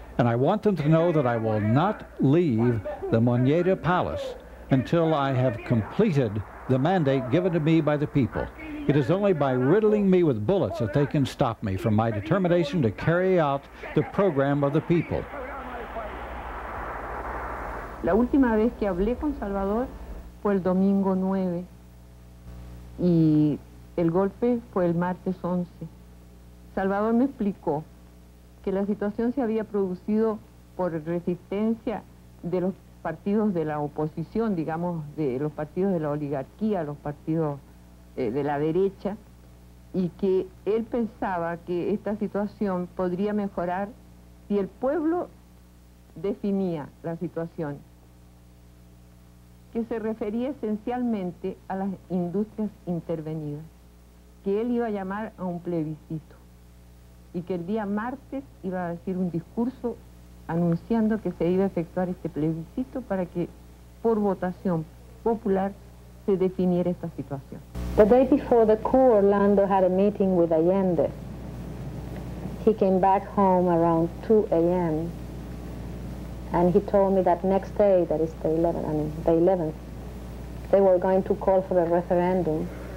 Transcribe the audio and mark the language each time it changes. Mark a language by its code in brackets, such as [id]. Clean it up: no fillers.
[en] And I want them to know that I will not leave the Moneda Palace until I have completed the mandate given to me by the people. It is only by riddling me with bullets that they can stop me from my determination to carry out the program of the people. [es] La última vez que hablé con Salvador fue el domingo 9 y el golpe fue el martes 11. Salvador me explicó que la situación se había producido por resistencia de los partidos de la oposición, digamos, de los partidos de la oligarquía, los partidos de la derecha, y que él pensaba que esta situación podría mejorar si el pueblo definía la situación, que se refería esencialmente a las industrias intervenidas, que él iba a llamar a un plebiscito, y que el día martes iba a decir un discurso anunciando que se iba a efectuar este plebiscito para que, por votación popular, se definir esta situación. [en] The day before the coup, Orlando had a meeting with Allende. He came back home around 2 a.m. and he told me that next day, that is the 11th, they were going to call for a referendum.